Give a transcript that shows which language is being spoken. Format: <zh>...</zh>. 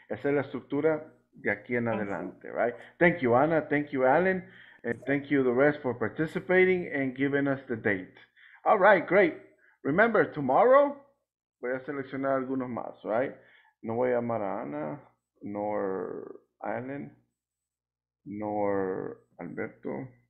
<es>Esa es la estructura de aquí en adelante, right?</es> <en>Thank you, Ana. Thank you, Alan. And thank you, the rest, for participating and giving us the date. All right, great. Remember, tomorrow,</en> <es>voy a seleccionar algunos más, right? No voy a llamar a Ana,</es> <en>nor</en> <es>Alan, nor Alberto.</es>